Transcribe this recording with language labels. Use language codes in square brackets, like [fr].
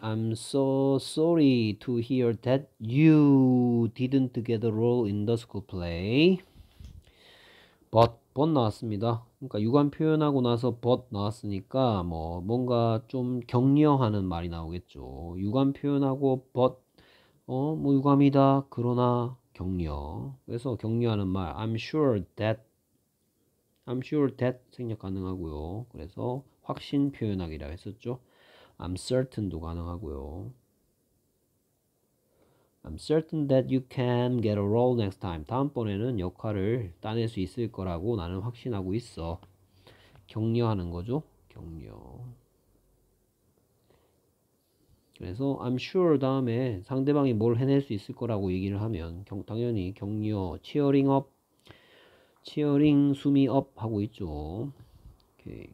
[en] I'm so sorry to hear that you didn't get a role in the school play. [ko] But 나왔습니다. 그러니까 유감 표현하고 나서 but 나왔으니까 뭐 뭔가 좀 격려하는 말이 나오겠죠. 유감 표현하고 but 뭐 유감이다. 그러나 격려. 그래서 격려하는 말. I'm sure that 생략 가능하고요. 그래서 확신 표현하기라 했었죠. I'm certain도 가능하고요. [en] I'm certain that you can get a role next time. [ko] 다음번에는 역할을 따낼 수 있을 거라고 나는 확신하고 있어. 격려하는 거죠. 격려. 그래서 I'm sure 다음에 상대방이 뭘 해낼 수 있을 거라고 얘기를 하면 당연히 격려, cheering up, cheering 숨이 up 하고 있죠. 오케이.